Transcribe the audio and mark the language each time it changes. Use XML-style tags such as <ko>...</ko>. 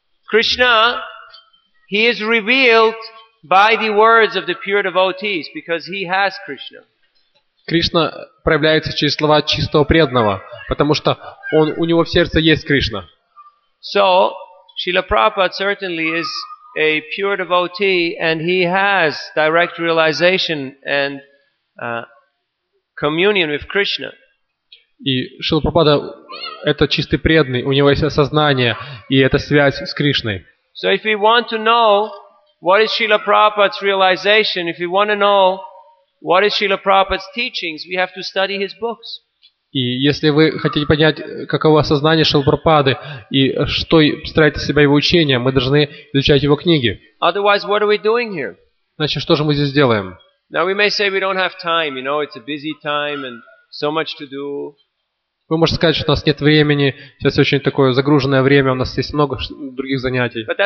<en>Кришна, He is revealed by the words of the pure devotees, because he has Krishna.</en> <ru>Кришна проявляется через слова чистого преданного, потому что он, у него в сердце есть Кришна.</ru> <en>So, Srila Prabhupada certainly is a pure devotee, and he has direct realization and communion with Krishna.</en> <ru>И Шрила Прабхупада это чистый преданный, у него есть осознание и эта связь с Кришной.</ru> <en>So, if we want to know what is Srila Prabhupada's realization? If you want to know what is Srila Prabhupada's teachings, we have to study his books.</en> <ru>И если вы хотите понять, каково сознание Шрилы Прабхупады и что представляет из себя его учение, мы должны изучать его книги.</ru> <en>Otherwise, what are we doing here?</en> <ru>Значит, что же мы здесь делаем?</ru> <en>Now we may say we don't have time. You know, it's a busy time and so much to do.</en> <ru>Вы можете сказать, что у нас нет времени, сейчас очень такое загруженное время, у нас есть много других занятий.</ru>